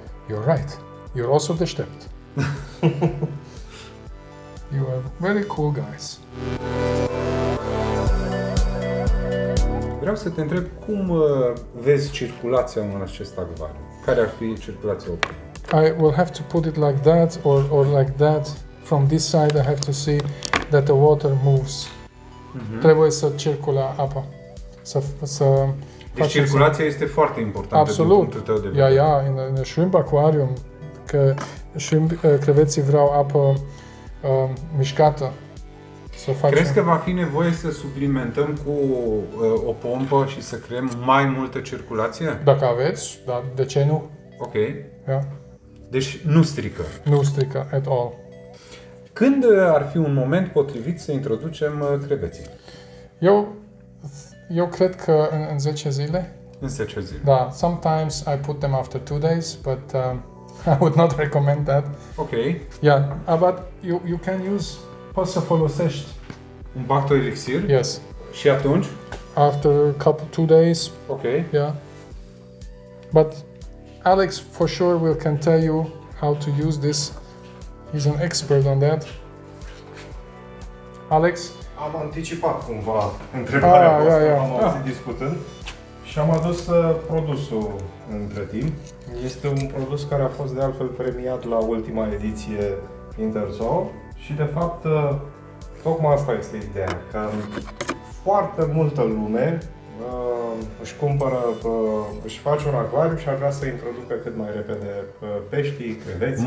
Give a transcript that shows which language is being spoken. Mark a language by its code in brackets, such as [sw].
[en] You're right. You're also [ro] deștept. [en] You are very cool guys. [ro] Vreau să te întreb cum vezi circulația în acest acvariu? Care ar fi circulația optimă? [en] I will have to put it like that or like that. From this side I have to see that the water moves. [ro] Mm-hmm. Trebuie să circule apa. Să deci circulația este foarte importantă. Absolut. Din punctul tău de vedere. [en] In a shrimp aquarium, [ro] că creveții vreau apă mișcată. Să facem. Crezi că va fi nevoie să suplimentăm cu o pompă și să creăm mai multă circulație? Dacă aveți, dar de ce nu? Ok. Yeah. Deci nu strică. Nu strică [en] at all. [ro] Când ar fi un moment potrivit să introducem creveții? Eu cred că în 10 zile. În 10 zile. [en] Da, sometimes I put them after 2 days, but I would not recommend that. Ok. Yeah, but you can use, [ro] poți să folosești un bactoelixir? [en] Yes. [ro] Și atunci? [en] After a couple 2 days. Ok. Yeah. But Alex for sure will can tell you how to use this. He's an expert on that. Alex? [ro] Am anticipat cumva întrebarea voastră, auzit discutând și am adus produsul între timp. Este un produs care a fost de altfel premiat la ultima ediție Interzoo și de fapt tocmai asta este ideea, că foarte multă lume își cumpără, își face un acvariu și ar vrea să introducă cât mai repede peștii, creveții.